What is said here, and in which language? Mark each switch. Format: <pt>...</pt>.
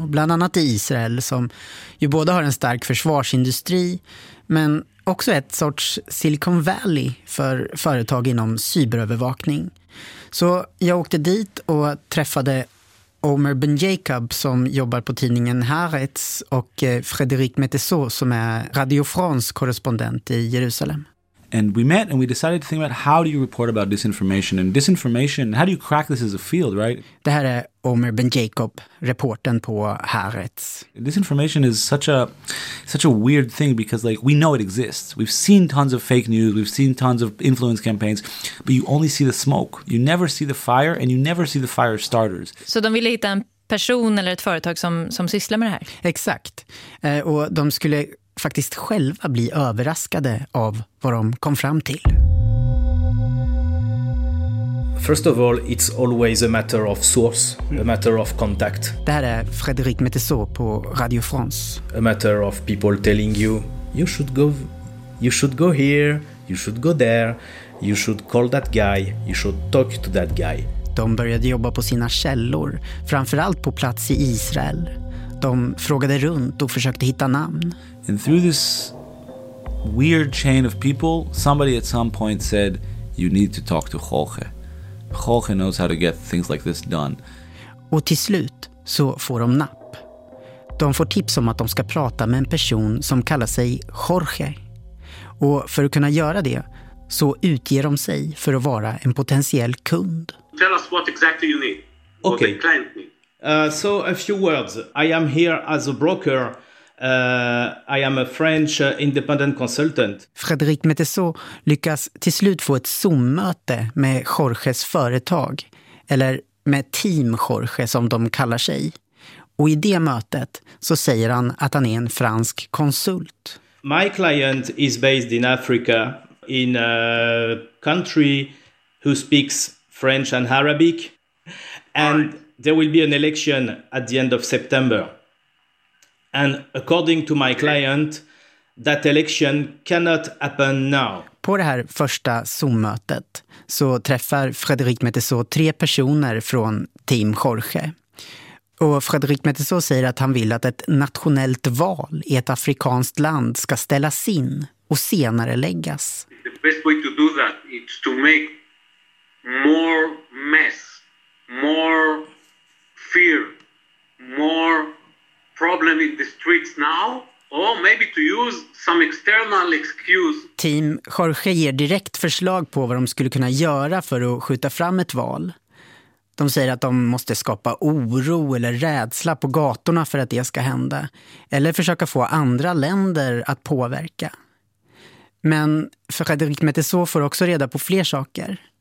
<sv>Och bland annat i Israel, som ju både har en stark försvarsindustri men också ett sorts Silicon Valley för företag inom cyberövervakning. Så jag åkte dit och träffade Omer Ben Jacob som jobbar på tidningen Haaretz och Frédéric Metesso som är Radio France-korrespondent i Jerusalem.</sv> <en>And we met and we decided to think about how do you report about disinformation and disinformation, how do you crack this as a field, right?</en> <sv>Det här är Omer Ben Jacob, reporten på Haaretz.</sv> <en>Disinformation is such a weird thing because like we know it exists. We've seen tons of fake news, we've seen tons of influence campaigns, but you only see the smoke. You never see the fire and you never see the fire starters.</en> <sv>Så de vill hitta en person eller ett företag som sysslar med det här? Exakt. Och de skulle faktiskt själva bli överraskade av vad de kom fram till.</sv> <en>First of all, it's always a matter of source, a matter of contact.</en> <sv>Det här är Frédéric Metteso på Radio France.</sv> <en>A matter of people telling you, you should go here, you should go there, you should call that guy, you should talk to that guy.</en> <sv>De började jobba på sina källor, framförallt på plats i Israel. De frågade runt och försökte hitta namn.</sv> <en>And through this weird chain of people, somebody at some point said, you need to talk to Jorge. Jorge knows how to get things like this done.</en> <sv>Och till slut så får de napp. De får tips om att de ska prata med en person som kallar sig Jorge. Och för att kunna göra det så utger de sig för att vara en potentiell kund.</sv> <en>Tell us what exactly you need. Okay. What the client needs. So a few words. I am here as a broker. I am a French independent consultant.</en> <sv>Frédéric Metteso lyckas till slut få ett Zoom-möte med Jorges företag, eller med Team Jorge som de kallar sig. Och i det mötet så säger han att han är en fransk konsult.</sv> <en>My client is based in Africa, in a country who speaks French and Arabic. And there will be an election at the end of September. And according to my client, that election cannot happen now.</en> <sv>På det här första Zoom-mötet så träffar Frédéric Metteso tre personer från Team Jorge. Och Frédéric Metteso säger att han vill att ett nationellt val i ett afrikanskt land ska ställas in och senare läggas.</sv> <en>The best way to do that is to make more mess, more fear, more problem in the streets now, or maybe to use some external excuse.</en> <sv>Team Jorge ger direkt förslag på vad de skulle kunna göra för att skjuta fram ett val. De säger att de måste skapa oro eller rädsla på gatorna för att det ska hända, eller försöka få andra länder att påverka. Men Frédéric Metteso får också reda på fler saker.</sv>